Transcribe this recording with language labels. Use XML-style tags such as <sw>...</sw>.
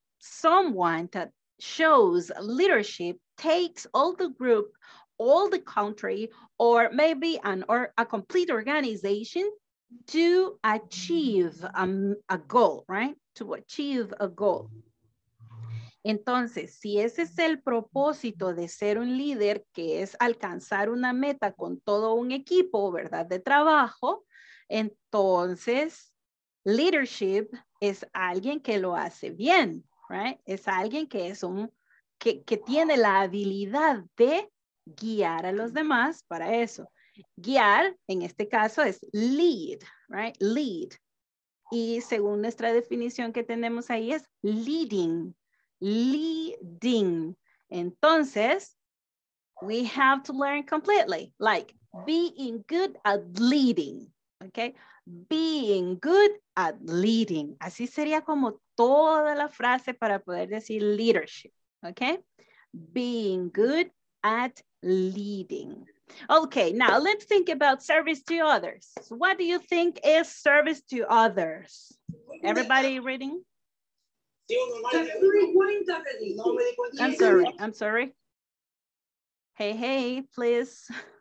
<en>Someone that shows leadership takes all the group, all the country, or maybe a complete organization to achieve a goal, right? To achieve a goal.</en> <es>Entonces, si ese es el propósito de ser un líder, que es alcanzar una meta con todo un equipo, ¿verdad?, de trabajo, entonces, leadership es alguien que lo hace bien,</es> <en>right?</en> <es>Es alguien que es un, que tiene la habilidad de guiar a los demás para eso. Guiar, en este caso, es lead,</es> <en>right?</en> <es>Lead. Y según nuestra definición que tenemos ahí es leading.</es> <en>Leading.</en> <es>Entonces,</es> <en>we have to learn completely. Like, being good at leading. Okay? Being good at leading.</en> <es>Así sería como toda la frase para poder decir leadership.</es> <en>Okay? Being good at leading. Okay, now let's think about service to others. What do you think is service to others? Everybody reading? I'm sorry. Hey, please.</en>